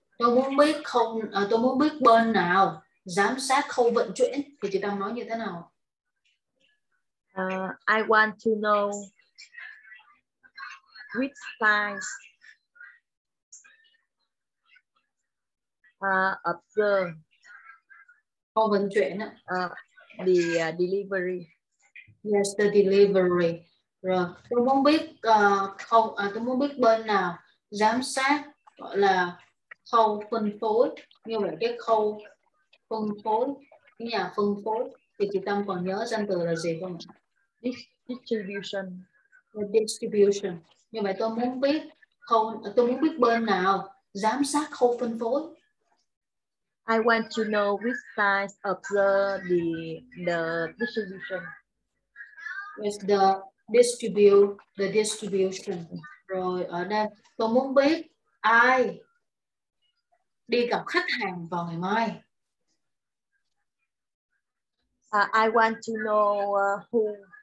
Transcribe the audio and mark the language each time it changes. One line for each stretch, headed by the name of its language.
Vietnamese: Tôi muốn biết không, tôi muốn biết bên nào giám sát khâu vận chuyển thì chị Tâm nói như thế nào?
English: I want to know which side observe
Vietnamese: khâu vận chuyển ạ.
English: The delivery. Yes, the delivery.
Vietnamese: Rồi, tôi muốn biết khâu tôi muốn biết bên nào giám sát gọi là khâu phân phối, như vậy cái khâu phân phối, cái nhà phân phối thì chị Tâm còn nhớ danh từ là gì không?
English: Distribution. The distribution.
Vietnamese: Như vậy tôi muốn biết khâu, tôi muốn biết bên nào giám sát khâu phân phối.
English: I want to know which size of the distribution. Is the distribute the distribution.
Vietnamese: Rồi ở đây tôi muốn biết ai đi gặp khách hàng vào ngày mai.
English: I want to know who